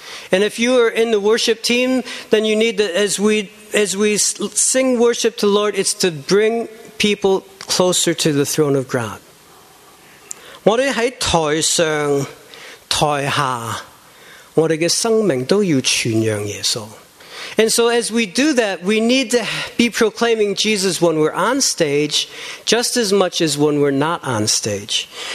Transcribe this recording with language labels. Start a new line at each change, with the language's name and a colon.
English: And if you are in the worship team, then you need to, as we sing worship to the Lord, it's to bring people closer to the throne of God.
Cantonese: 我哋喺台上台下，我哋嘅生命都要传扬耶稣。
English: And so as we do that, we need to be proclaiming Jesus when we're on stage just as much as when we're not on stage.